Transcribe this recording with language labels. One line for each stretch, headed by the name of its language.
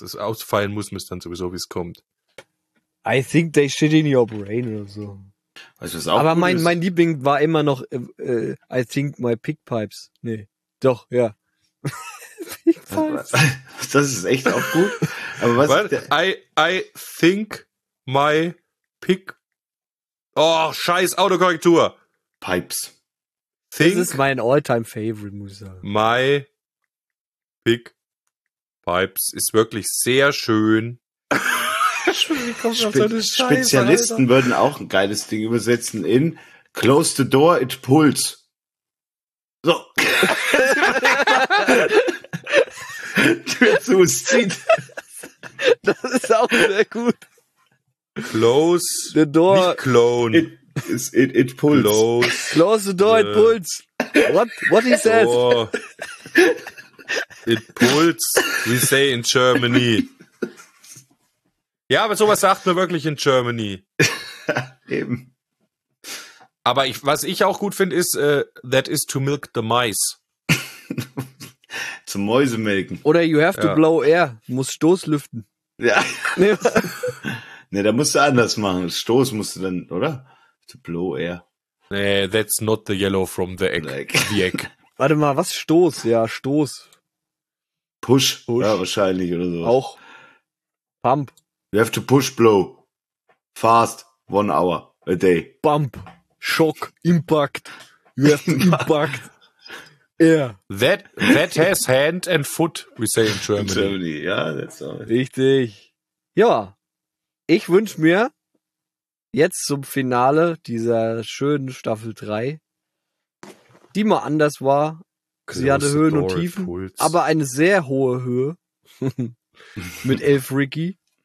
German: Es ausfallen muss, es dann sowieso, wie es kommt.
English: I think they shit in your brain
German: oder so. Weißt du, was auch aber cool mein Liebling war immer noch
English: I think my pig pipes.
German: Nee, doch, ja. Pigpipes. Das ist echt auch gut. Aber was?
English: I think my pig.
German: Oh, scheiß Autokorrektur.
English: Pipes.
German: Think das ist mein all-time favorite, muss ich sagen.
English: My pig.
German: Pipes ist wirklich sehr schön. Spezialisten Alter. Würden auch ein geiles Ding übersetzen in
English: Close the door, it pulls.
German: So. Tür zu, es zieht. Das ist auch sehr gut.
English: Close the door.
German: Nicht clone.
English: It pulls. Close the door, it pulls. What is that? It pulls, we say in Germany.
German: Ja, aber sowas sagt man wirklich in Germany. Eben. Aber was ich auch gut finde, ist,
English: that is to milk the mice.
German: Zum Mäusemelken.
English: Oder you have to blow air,
German: muss Stoß lüften. Ja. Ne, da musst du anders machen. Stoß musst du dann, oder?
English: To blow air.
German: Nee,
English: that's not the yellow from the egg.
German: Warte mal, was Stoß? Ja, Stoß.
English: Push.
German: Ja, wahrscheinlich oder sowas. Auch. Pump.
English: You have to push, blow. Fast. 1 hour a day. Bump. Shock. Impact. You have to impact. Yeah. That has hand and foot, we say in Germany. In Germany,
German: ja,
English: that's
German: all. Richtig. Ja. Ich wünsche mir jetzt zum Finale dieser schönen Staffel 3, die mal anders war. Close sie hatte Höhen und Tiefen, Pulse. Aber eine sehr hohe Höhe mit Elf Ricky.